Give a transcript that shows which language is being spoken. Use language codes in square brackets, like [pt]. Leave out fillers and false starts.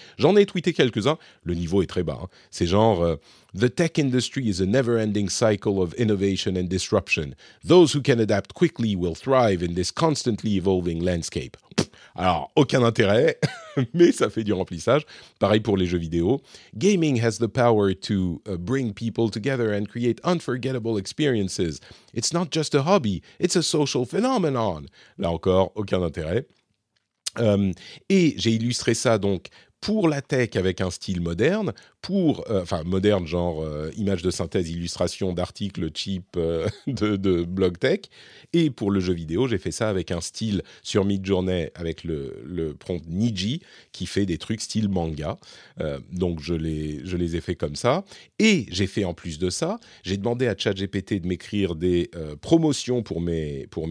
[fr] J'en ai tweeté quelques-uns, le niveau est très bas. Hein. C'est genre [en] « The tech industry is a never-ending cycle of innovation and disruption. Those who can adapt quickly will thrive in this constantly evolving landscape. » [fr] Alors, aucun intérêt, mais ça fait du remplissage. Pareil pour les jeux vidéo. [en] Gaming has the power to bring people together and create unforgettable experiences. It's not just a hobby, it's a social phenomenon. [fr] Là encore, aucun intérêt. Et j'ai illustré ça donc pour la tech avec un style moderne, moderne genre image de synthèse, illustration d'articles cheap de blog tech, et pour le jeu vidéo, j'ai fait ça avec un style sur Midjourney avec le prompt Niji, qui fait des trucs style manga, donc je les ai fait comme ça, et j'ai fait en plus de ça, j'ai demandé à ChatGPT de m'écrire des promotions des